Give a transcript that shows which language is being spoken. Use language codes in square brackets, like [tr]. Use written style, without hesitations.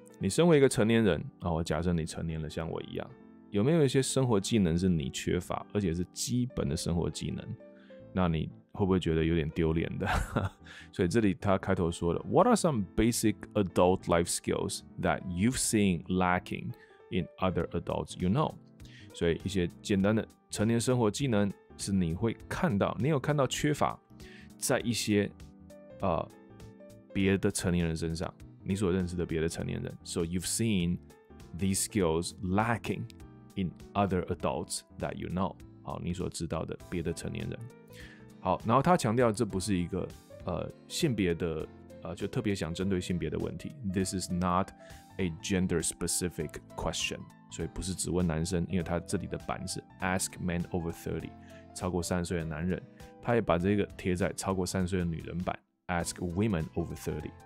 [zh] 你身为一个成年人，我假设你成年了，像我一样，有没有一些生活技能是你缺乏，而且是基本的生活技能？那你会不会觉得有点丢脸的？所以这里他开头说的 [en] What are some basic adult life skills that you've seen lacking in other adults you know? [zh] 所以一些简单的成年生活技能是你会看到，你有看到缺乏在一些别的成年人身上，你所认识的别的成年人。 [en] So you've seen these skills lacking in other adults that you know. [zh] 好，你所知道的别的成年人。好，然后他强调这不是一个性别的就特别想针对性别的问题。 [en] This is not a gender specific question. [zh] 所以不是只问男生，因为他这里的版是 [en] ask men over 30， [zh] 超过三十岁的男人，他也把这个贴在超过三十岁的女人版 ， [en] Ask women over 30。